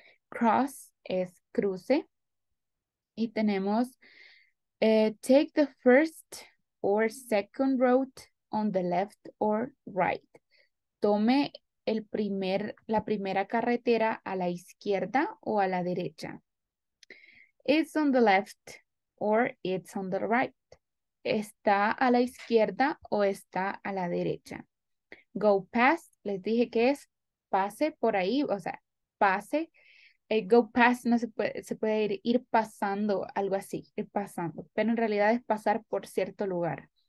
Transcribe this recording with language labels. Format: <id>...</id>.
<en>Cross</en> <es>es cruce. Y tenemos</es> <en>take the first or second road on the left or right.</en> <es>Tome la primera carretera a la izquierda o a la derecha.</es> <en>It's on the left or it's on the right.</en> <es>Está a la izquierda o está a la derecha.</es> <en>Go past,</en> <es>les dije que es pase por ahí, o sea, pase.</es> <en>Go past</en> <es>no se puede, se puede ir pasando, algo así, ir pasando. Pero en realidad es pasar por cierto lugar.</es>